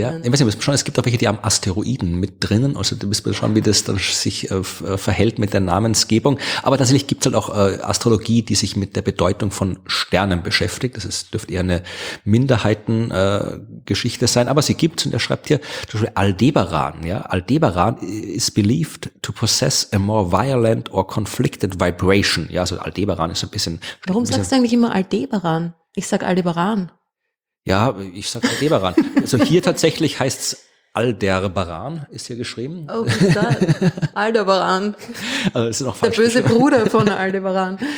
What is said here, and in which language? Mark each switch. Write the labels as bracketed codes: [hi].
[de] Ja, ich weiß nicht, schon, es gibt auch welche, die haben Asteroiden mit drinnen. Also da müssen wir schauen, wie das dann sich verhält mit der Namensgebung. Aber tatsächlich gibt es halt auch Astrologie, die sich mit der Bedeutung von Sternen beschäftigt. Das dürfte eher eine Minderheitengeschichte sein. Aber sie gibt's und er schreibt hier zum Beispiel Aldebaran. Ja? [en] Aldebaran is believed to possess a more violent or conflicted vibration. [de] Ja, also Aldebaran ist so ein bisschen... Warum sagst du eigentlich immer Aldebaran? Ich sag Aldebaran. Ja, ich sag Aldebaran. Also hier tatsächlich heißt es Aldebaran, ist hier geschrieben. Oh, ist das? Aldebaran. Also ist noch der böse geschrieben. Bruder von Aldebaran.